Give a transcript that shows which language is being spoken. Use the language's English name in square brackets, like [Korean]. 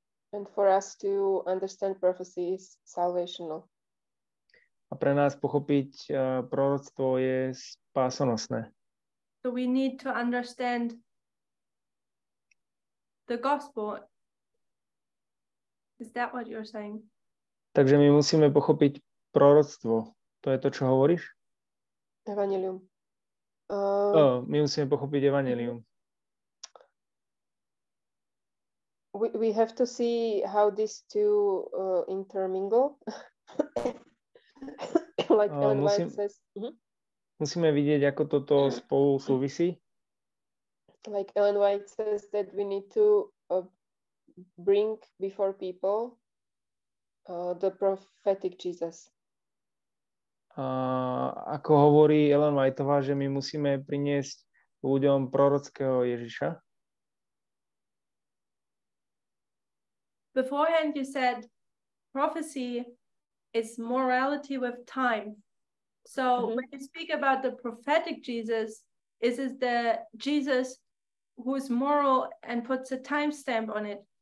[English] And for us to understand prophecy is salvational. [Slovak] A pre nás pochopiť proroctvo je spásonosné. [English] So we need to understand the gospel. Is that what you're saying? [Slovak] Takže my musíme pochopiť proroctvo. To je to, čo hovoríš? Evanjelium. My musíme pochopiť evanjelium. [English] We have to see how these two intermingle. Like Ellen White says. [Slovak] Musíme vidieť, ako toto spolu súvisí. [English] Like Ellen White says that we need to bring before people the prophetic Jesus. [Slovak] Ako hovorí Ellen Whiteová, že my musíme priniesť ľuďom prorockého Ježiša. [English] Beforehand you said prophecy is morality with time. So when you speak about the prophetic Jesus, is it the Jesus who is moral and puts a timestamp on it?